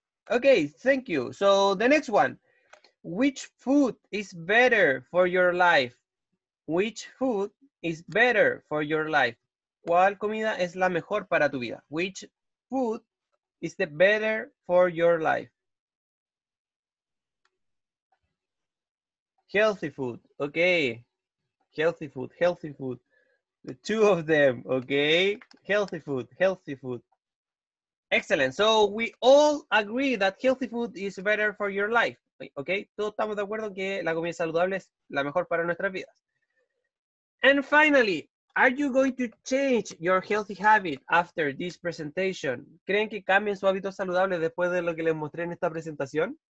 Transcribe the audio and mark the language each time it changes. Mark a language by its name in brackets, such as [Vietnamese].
[English] Okay, thank you. So the next one. Which food is better for your life? Which food is better for your life? [Spanish] ¿Cuál comida es la mejor para tu vida? [English] Which food is the better for your life? Healthy food, okay. Healthy food, healthy food. The two of them, okay? Healthy food, healthy food. Excellent. So we all agree that healthy food is better for your life, okay? [Spanish] Todos estamos de acuerdo que la comida saludable es la mejor para nuestras vidas. [English] And finally, are you going to change your healthy habit after this presentation? [Spanish] ¿Creen que cambien su hábito saludable después de lo que les mostré en esta presentación?